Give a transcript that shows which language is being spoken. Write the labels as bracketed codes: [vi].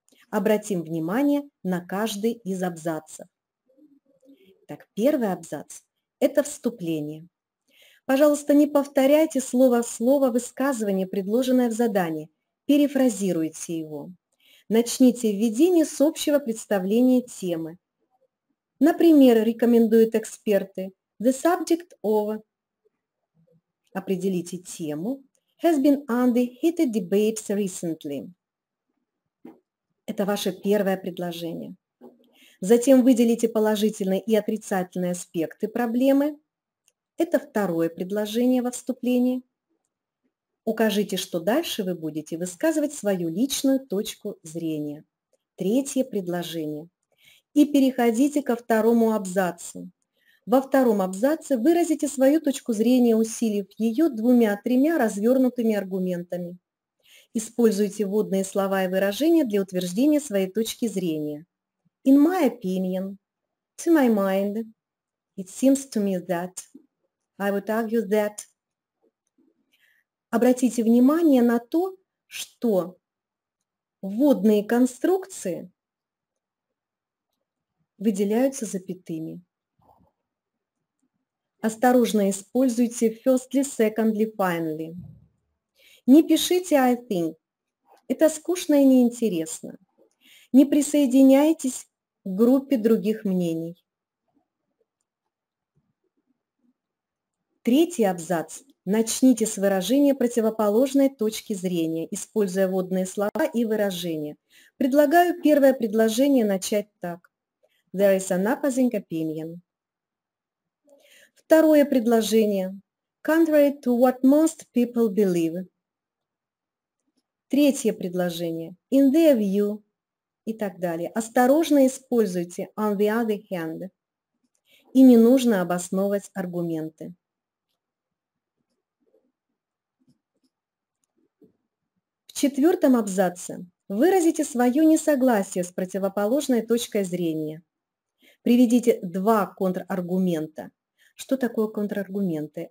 [ru] Обратим внимание на каждый из абзацев. Так, первый абзац – это вступление. Пожалуйста, не повторяйте слово в слово высказывание, предложенное в задании. Перефразируйте его. Начните введение с общего представления темы. Например, рекомендуют эксперты [en] «The subject of» [ru] – определите тему – [en] «has been under heated debates recently». [ru] Это ваше первое предложение. Затем выделите положительные и отрицательные аспекты проблемы. Это второе предложение во вступлении. Укажите, что дальше вы будете высказывать свою личную точку зрения. Третье предложение. И переходите ко второму абзацу. Во втором абзаце выразите свою точку зрения, усилив ее 2-3 развернутыми аргументами. Используйте вводные слова и выражения для утверждения своей точки зрения. [en] In my opinion, to my mind, it seems to me that, I would argue that. [ru] Обратите внимание на то, что вводные конструкции выделяются запятыми. Осторожно используйте [en] firstly, secondly, finally. [ru] Не пишите [en] I think. [ru] Это скучно и неинтересно. Не присоединяйтесь к группе других мнений. Третий абзац. Начните с выражения противоположной точки зрения, используя вводные слова и выражения. Предлагаю первое предложение начать так. [en] There is an opposing opinion. [ru] Второе предложение. [en] Contrary to what most people believe. [ru] Третье предложение. [en] In their view. [ru] И так далее. Осторожно используйте [en] on the other hand. [ru] И не нужно обосновывать аргументы. В четвертом абзаце выразите свое несогласие с противоположной точкой зрения. Приведите 2 контраргумента. Что такое контраргументы?